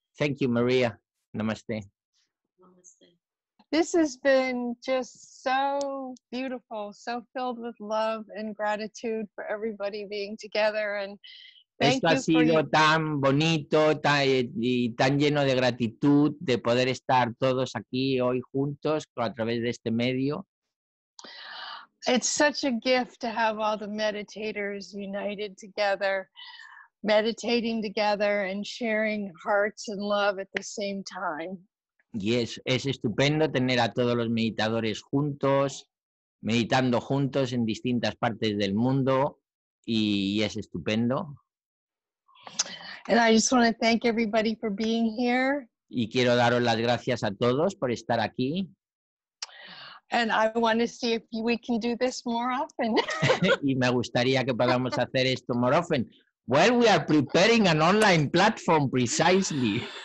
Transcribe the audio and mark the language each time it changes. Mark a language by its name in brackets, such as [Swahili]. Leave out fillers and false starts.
[English] Thank you, Maria. Namaste. Namaste. This has been just so beautiful, so filled with love and gratitude for everybody being together. And thank [Spanish] esto ha sido tan bonito y tan lleno de gratitud de poder estar todos aquí hoy juntos a través de este medio. [English] It's such a gift to have all the meditators united together, meditating together and sharing hearts and love at the same time. [Spanish] Y es estupendo tener a todos los meditadores juntos, meditando juntos en distintas partes del mundo y es estupendo. [English] And I just want to thank everybody for being here. [Spanish] Y quiero daros las gracias a todos por estar aquí. [English] And I want to see if we can do this more often. [Spanish] Y me gustaría que podamos hacer esto [English] more often. Well, we are preparing an online platform precisely.